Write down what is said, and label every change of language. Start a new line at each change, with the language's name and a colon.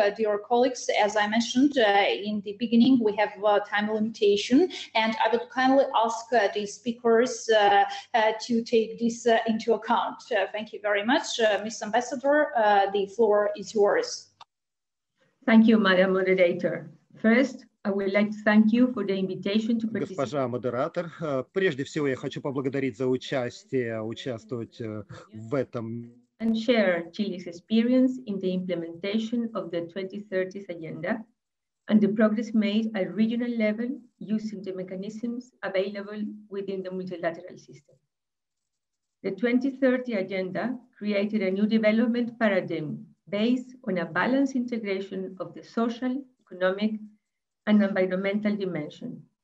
English: Dear colleagues, as I mentioned in the beginning, we have a time limitation, and I would kindly ask the speakers to take this into account. Thank you very much. Ms. Ambassador, the floor is yours. Thank you, Madam Moderator. First, I would like to thank you for the invitation to participate.
Russian: Госпожа модератор, прежде всего я хочу поблагодарить за участие, участвовать в этом.
English: And share Chile's experience in the implementation of the 2030 agenda and the progress made at regional level using the mechanisms available within the multilateral system. The 2030 agenda created a new development paradigm based on a balanced integration of the social, economic, and environmental dimension.